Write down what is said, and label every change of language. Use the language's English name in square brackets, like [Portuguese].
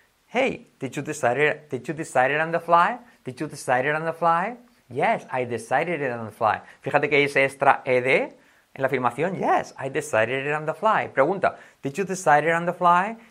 [English] Hey, did you decide it on the fly? Yes, I decided it on the fly. [Spanish] Fíjate que dice extra ed en la afirmación. [English] Yes, I decided it on the fly. Pregunta, did you decide it on the fly?